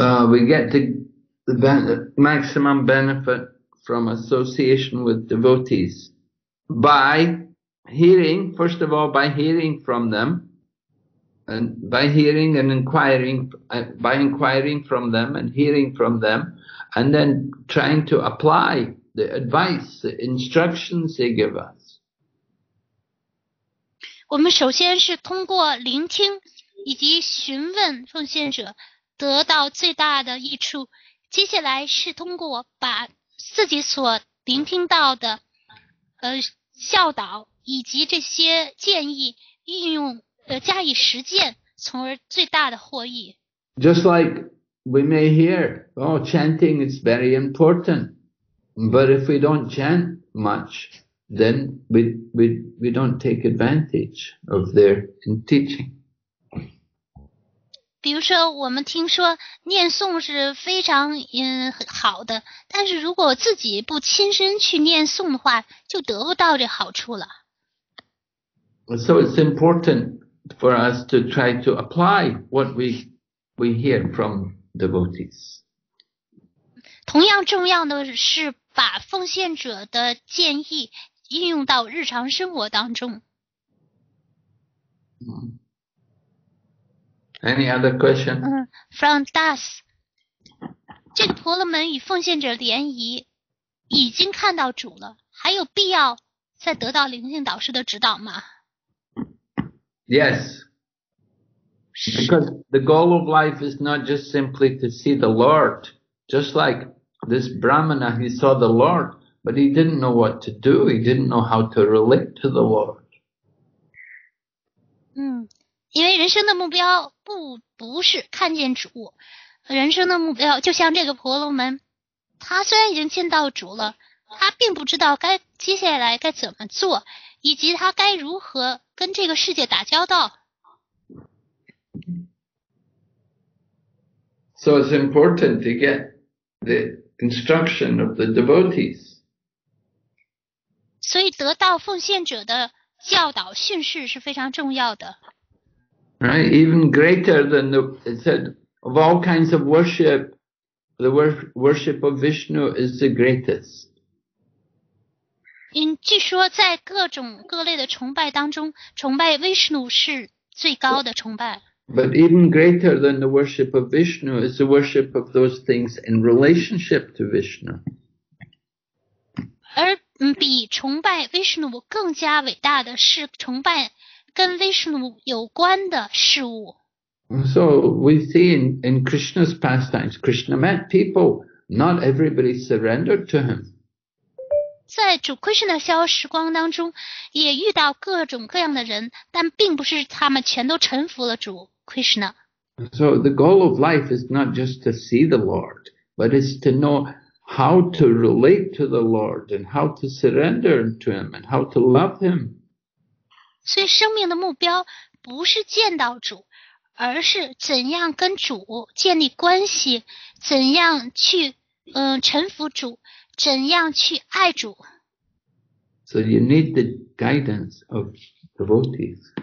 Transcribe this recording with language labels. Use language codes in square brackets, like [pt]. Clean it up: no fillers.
[en] We get the maximum benefit from association with devotees by hearing, first of all, by hearing from them, and by hearing and inquiring, by inquiring from them and hearing from them, and then trying to apply the advice, the instructions they give us. [zh] 我们首先是通过聆听以及询问奉献者得到最大的益处，接下来是通过把自己所聆听到的教导以及这些建议运用加以实践，从而最大的获益。 [en] Just like we may hear, oh, chanting is very important. But if we don't chant much, then we don't take advantage of their teaching. [zh] 比如说，我们听说念诵是非常好的，但是如果自己不亲身去念诵的话，就得不到这好处了。 [en] So it's important for us to try to apply what we hear from devotees. [zh] 同样重要的是把奉献者的建议应用到日常生活当中。 [en] Any other question? [zh] From Das，这个婆罗门与奉献者联谊已经看到主了，还有必要再得到灵性导师的指导吗？ [en] Yes, because the goal of life is not just simply to see the Lord, just like this Brahmana, he saw the Lord, but he didn't know what to do, he didn't know how to relate to the Lord. [zh] 因为人生的目标不是看见主，人生的目标就像这个婆罗门，他虽然已经见到主了，他并不知道该接下来该怎么做，以及他该如何跟这个世界打交道。 [en] So it's important to get the instruction of the devotees. [zh] 所以得到奉献者的教导训示是非常重要的。 [en] Right? Even greater than it said, of all kinds of worship, the worship of Vishnu is the greatest. [zh] 据说在各种各类的崇拜当中，崇拜 Vishnu 是最高的崇拜。 [en] But even greater than the worship of Vishnu is the worship of those things in relationship to Vishnu. [zh] 而比崇拜 Vishnu 更加伟大的是崇拜跟 Vishnu 有关的事物。 [en] So we see in Krishna's pastimes, Krishna met people, not everybody surrendered to him. [zh] 在主 Krishna 的逍遥时光当中，也遇到各种各样的人，但并不是他们全都臣服了主 Krishna。 [en] So the goal of life is not just to see the Lord, but it's to know how to relate to the Lord and how to surrender to him and how to love him. [zh] 所以，生命的目标不是见到主，而是怎样跟主建立关系，怎样去臣服主，怎样去爱主？ [en] So you need the guidance of devotees.